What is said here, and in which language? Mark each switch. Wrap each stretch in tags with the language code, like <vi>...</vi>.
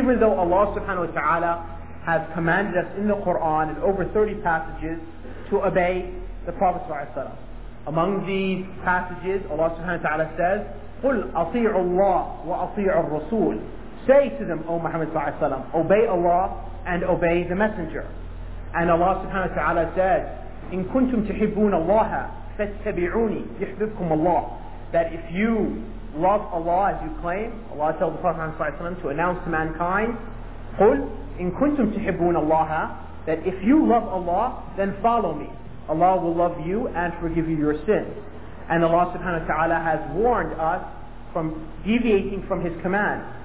<en>Even though Allah subhanahu wa ta'ala has commanded us in the Quran in over 30 passages to obey the Prophet ﷺ. Among these passages, Allah subhanahu wa ta'ala says,</en> <ar>قُلْ أَطِيعُ اللَّهِ وَأَطِيعُ الرَّسُولِ.</ar> <en>Say to them, O Muhammad sallallahu alayhi wa sallam, obey Allah and obey the Messenger. And Allah subhanahu wa ta'ala says,</en> <ar>إِن كُنْتُمْ تُحِبُّونَ اللَّهَ فَاتَّبِعُونِي يُحْبِبْكُمُ اللَّهُ.</ar> <en>That if you love Allah as you claim, Allah tells the Prophet sallallahu alayhi wa sallam to announce to mankind,</en> <ar>قُلْ إِن كُنْتُمْ تُحِبُّونَ اللَّهَ.</ar> <en>That if you love Allah, then follow me. Allah will love you and forgive you your sins. And Allah subhanahu wa ta'ala has warned us from deviating from His command.</en>